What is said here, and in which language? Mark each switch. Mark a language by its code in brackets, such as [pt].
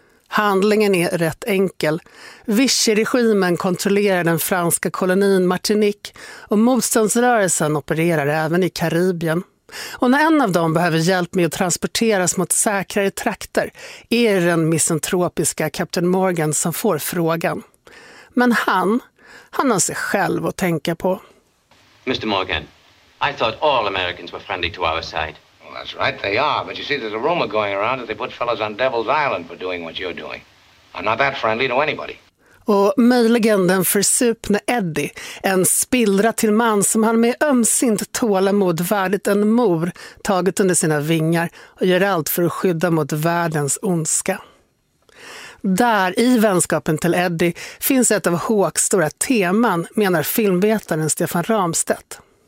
[sv] Handlingen är rätt enkel. Vichy-regimen kontrollerar den franska kolonin Martinique och motståndsrörelsen opererar även i Karibien. Och när en av dem behöver hjälp med att transporteras mot säkrare trakter är den misantropiska Captain Morgan som får frågan. Men han har sig själv att tänka på. [en] Mr. Morgan, I thought all Americans were friendly to our side. Well, that's right, they are. But you see, there's a rumor going around that they put fellows on Devil's Island for doing what you're doing. I'm not that friendly to anybody. [sv] Och möjligen den försupna Eddie, en spillra till man som han med ömsint tålamod värdigt en mor tagit under sina vingar och gör allt för att skydda mot världens ondska. Där i vänskapen till Eddie finns ett av Hawks stora teman, menar filmvetaren Stefan Ramstedt.